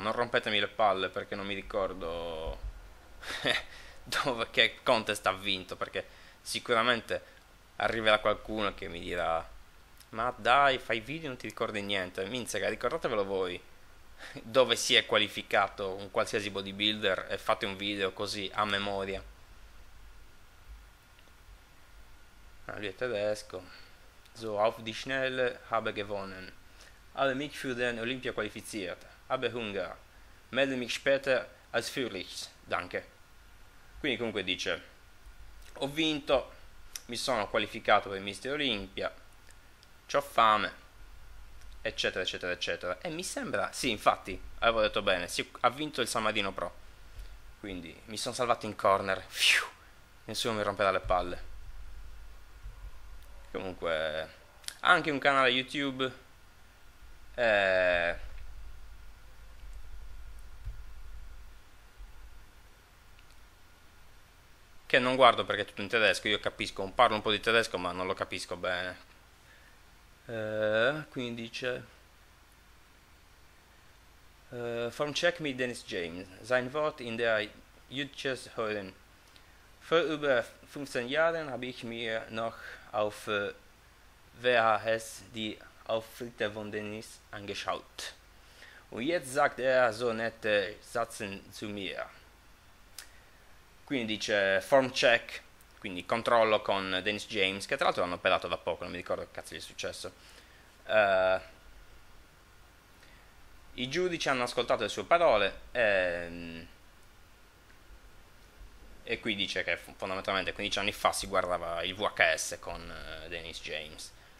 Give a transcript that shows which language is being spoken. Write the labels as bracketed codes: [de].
[it] Non rompetemi le palle perché non mi ricordo dove, che contest ha vinto, perché sicuramente arriverà qualcuno che mi dirà: ma dai, fai video e non ti ricordi niente. Minzega, ricordatevelo voi dove si è qualificato un qualsiasi bodybuilder e fate un video così a memoria. Ah, lui è tedesco. [de] So, auf die Schnelle habe gewonnen. Habe mich für den Olympia qualifiziert. Habe Hunger. Melde mich später ausführlich. Danke. [it] Quindi comunque dice, ho vinto, mi sono qualificato per Mister Olympia, c'ho fame, eccetera, eccetera, eccetera. E mi sembra, sì, infatti, avevo detto bene, sì, ha vinto il San Marino Pro. Quindi mi sono salvato in corner. Fiu, nessuno mi romperà le palle. Comunque, anche un canale YouTube che non guardo perché è tutto in tedesco, io capisco, parlo un po' di tedesco ma non lo capisco bene. Quindi dice [de] From Czech me Dennis James, sein Wort in der Jütches Vor über 15 Jahren habe ich mir noch auf VHS die Auftritte von Dennis angeschaut. Und jetzt sagt er so nette Sätze zu mir. [it] Quindi dice form check, quindi controllo con Dennis James, che tra l'altro hanno operato da poco, non mi ricordo che cazzo gli è successo. I giudici hanno ascoltato le sue parole e qui dice che fondamentalmente 15 anni fa si guardava il VHS con Dennis James.